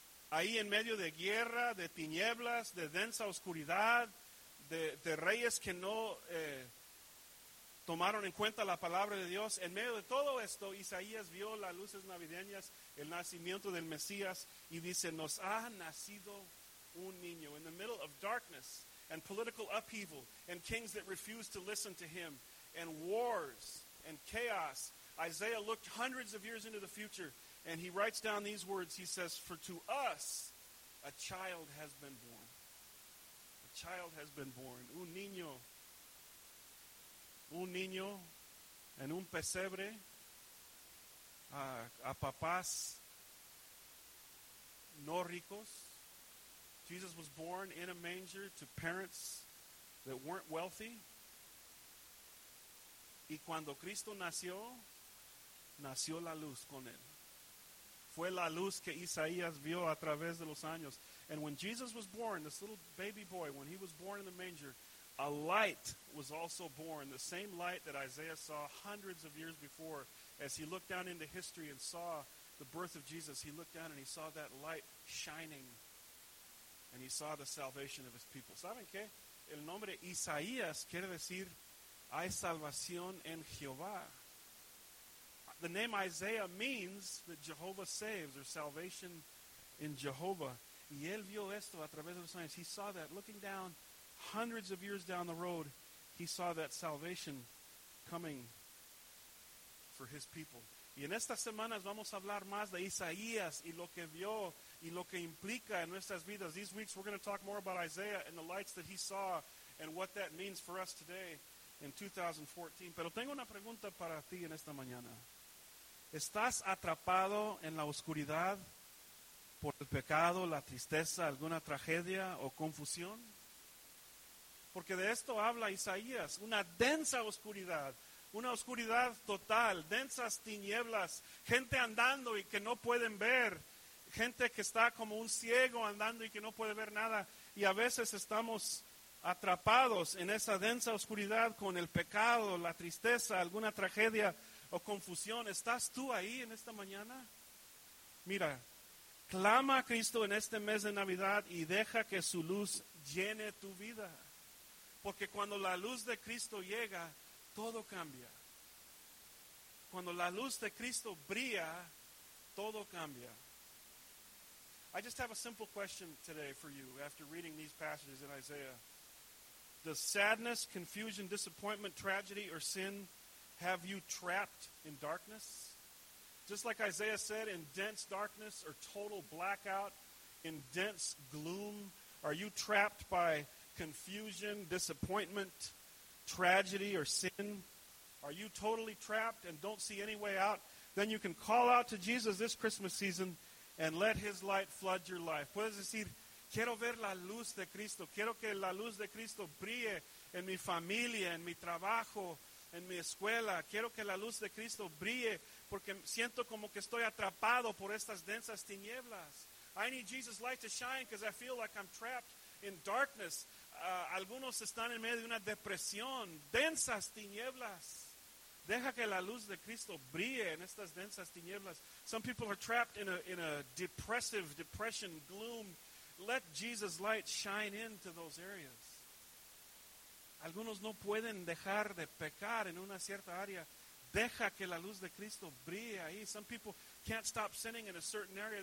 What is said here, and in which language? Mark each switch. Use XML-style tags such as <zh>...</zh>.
<es>Ahí en medio de guerra, de tinieblas, de densa oscuridad, de reyes que no tomaron en cuenta la palabra de Dios. En medio de todo esto, Isaías vio las luces navideñas, el nacimiento del Mesías, y dice, nos ha nacido un niño.</es> <en>In the middle of darkness and political upheaval and kings that refused to listen to him and wars and chaos, Isaiah looked hundreds of years into the future. And he writes down these words. He says, for to us, a child has been born. A child has been born.</en> <es>Un niño en un pesebre, a papás no ricos.</es> <en>Jesus was born in a manger to parents that weren't wealthy.</en> <es>Y cuando Cristo nació, nació la luz con él. Fue la luz que Isaías vio a través de los años.</es> <en>And when Jesus was born, this little baby boy, when he was born in the manger, a light was also born, the same light that Isaiah saw hundreds of years before. As he looked down into history and saw the birth of Jesus, he looked down and he saw that light shining, and he saw the salvation of his people.</en> <es>¿Saben qué? El nombre Isaías quiere decir, hay salvación en Jehová.</es> <en>The name Isaiah means that Jehovah saves, or salvation in Jehovah.</en> <es>Y él vio esto a través de los años.</es> <en>He saw that looking down hundreds of years down the road. He saw that salvation coming for his people.</en> <es>Y en estas semanas vamos a hablar más de Isaías y lo que vio y lo que implica en nuestras vidas.</es> <en>These weeks we're going to talk more about Isaiah and the lights that he saw and what that means for us today in 2014.</en> <es>Pero tengo una pregunta para ti en esta mañana. ¿Estás atrapado en la oscuridad por el pecado, la tristeza, alguna tragedia o confusión? Porque de esto habla Isaías, una densa oscuridad, una oscuridad total, densas tinieblas, gente andando y que no pueden ver, gente que está como un ciego andando y que no puede ver nada. Y a veces estamos atrapados en esa densa oscuridad con el pecado, la tristeza, alguna tragedia o confusión. ¿Estás tú ahí en esta mañana? Mira, clama a Cristo en este mes de Navidad y deja que su luz llene tu vida. Porque cuando la luz de Cristo llega, todo cambia. cuando la luz de Cristo brilla, todo cambia.</es> <en>I just have a simple question today for you after reading these passages in Isaiah. Does sadness, confusion, disappointment, tragedy, or sin have you trapped in darkness? Just like Isaiah said, in dense darkness or total blackout, in dense gloom, are you trapped by confusion, disappointment, tragedy, or sin? Are you totally trapped and don't see any way out? Then you can call out to Jesus this Christmas season and let his light flood your life.</en> <es>Puedes decir, quiero ver la luz de Cristo. Quiero que la luz de Cristo brille en mi familia, en mi trabajo, en mi escuela. Quiero que la luz de Cristo brille porque siento como que estoy atrapado por estas densas tinieblas.</es> <en>I need Jesus' light to shine because I feel like I'm trapped in darkness.</en> <es>Algunos están en medio de una depresión. Densas tinieblas. Deja que la luz de Cristo brille en estas densas tinieblas.</es> <en>Some people are trapped in a depressive depression, gloom. Let Jesus' light shine into those areas.</en> <es>Algunos no pueden dejar de pecar en una cierta área. Deja que la luz de Cristo brille ahí.</es> <en>Some people can't stop sinning in a certain area.</en>